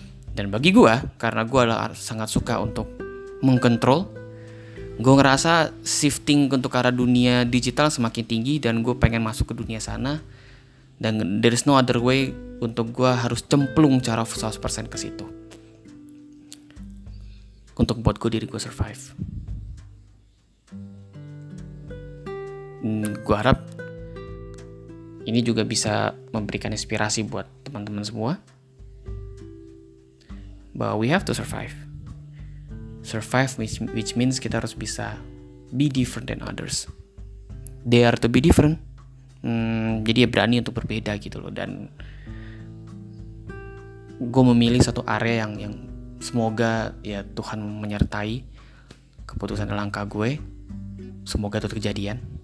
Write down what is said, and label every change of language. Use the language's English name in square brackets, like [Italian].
[Indonesian] Dan bagi gue, karena gue adalah sangat suka untuk mengkontrol, gue ngerasa shifting untuk arah dunia digital semakin tinggi dan gue pengen masuk ke dunia sana, dan [English] there is no other way [Indonesian] untuk gue harus cemplung cara 100% ke situ untuk buat gue diri gue survive. Gue harap ini juga bisa memberikan inspirasi buat teman-teman semua bahwa [English] we have to survive. Survive which means [Indonesian] kita harus bisa [English] be different than others. Dare to be different. [Indonesian] Jadi ya berani untuk berbeda gitu loh. Dan gue memilih satu area yang semoga ya Tuhan menyertai keputusan dan langkah gue. Semoga itu kejadian.